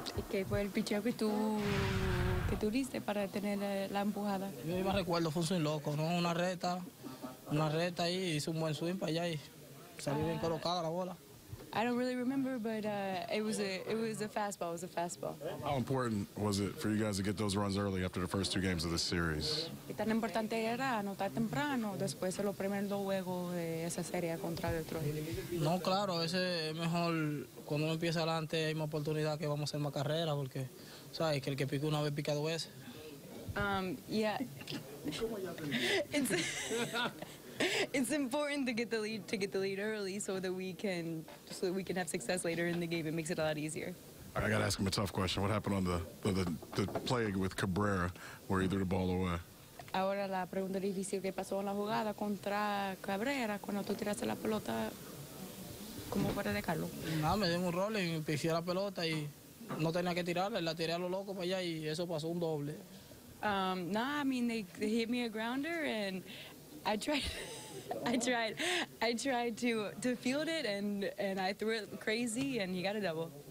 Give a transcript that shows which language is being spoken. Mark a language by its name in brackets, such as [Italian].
[Spanish] ¿Qué fue el picheo que tú diste para tener la empujada? Yo iba recuerdo, fue un swing loco, ¿no? Una recta ahí, hice un buen swing para allá y salí bien colocada la bola. [English] I don't really remember, but it was a fastball. It was a fastball. How important was it for you guys to get those runs early after the first two games of the series? [Spanish] Tan importante era anotar temprano después de los primeros juegos de esa serie contra Detroit. No, claro, ese es mejor cuando uno empieza adelante hay más oportunidad que vamos a hacer más carrera porque sabes que el que pica una vez pica dos veces. [English] Yeah. It's important to get the lead early so that we can have success later in the game. It makes it a lot easier. All right, I got to ask him a tough question. What happened on the play with Cabrera where he threw the ball away? [Spanish] Ahora la pregunta difícil, ¿qué pasó en la jugada contra Cabrera cuando tú tiraste la pelota como fuera de Carlos? Nada, me dio un rolling, pisé la pelota y no tenía que tirarla, la tiré a lo loco para allá y eso pasó un doble. [English] They hit me a grounder and I tried to field it and I threw it crazy and you got a double.